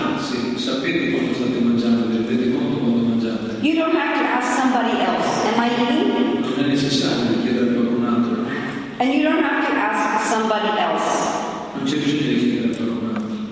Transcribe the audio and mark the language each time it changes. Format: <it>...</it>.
<it>Anzi, sapete quando state mangiando, vedete conto quando mangiate.</it> <en>You don't have to ask somebody else, am I eating?</en> <it>Non è necessario chiedere a qualcun altro.</it> <en>And you don't have to ask somebody else.</en> <it>Non c'è bisogno di chiedere a qualcun altro.</it>